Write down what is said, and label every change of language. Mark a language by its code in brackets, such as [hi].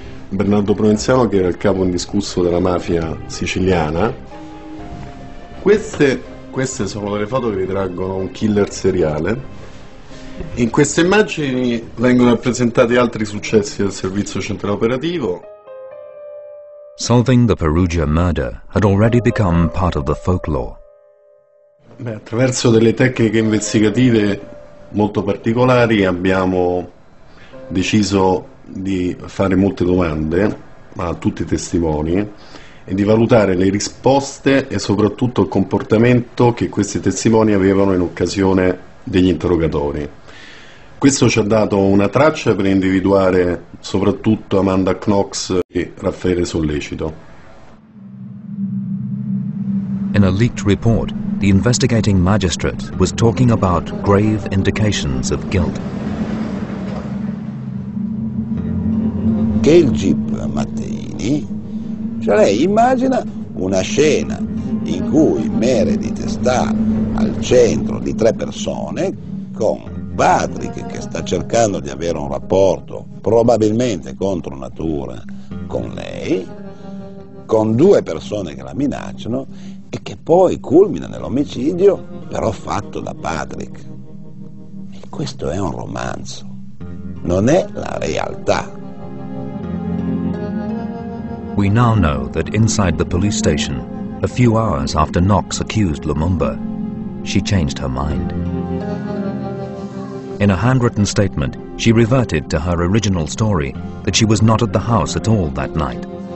[it] Bernardo Provenzano, che era il capo indiscusso della mafia siciliana. Queste sono delle foto che ritraggono un killer seriale. In queste immagini vengono rappresentati altri successi del servizio centrale operativo. [en] Solving the Perugia murder had already become part of the folklore. [it] Beh, attraverso delle tecniche investigative molto particolari abbiamo deciso di fare molte domande a tutti i testimoni e di valutare le risposte e soprattutto il comportamento che questi testimoni avevano in occasione degli interrogatori. Questo ci ha dato una traccia per individuare soprattutto Amanda Knox e Raffaele Sollecito. [en] In a leaked report, the investigating magistrate was talking about grave indications of guilt. [it] Che il GIP Matteini, cioè lei immagina una scena in cui Meredith sta al centro di tre persone con Patrick, che sta cercando di avere un rapporto probabilmente contro natura con lei, con due persone che la minacciano e che poi culmina nell'omicidio, però fatto da Patrick. E questo è un romanzo, non è la realtà. [en] We now know that inside the police station, a few hours after Knox accused Lumumba, she changed her mind. In a handwritten statement, she reverted to her original story that she was not at the house at all that night.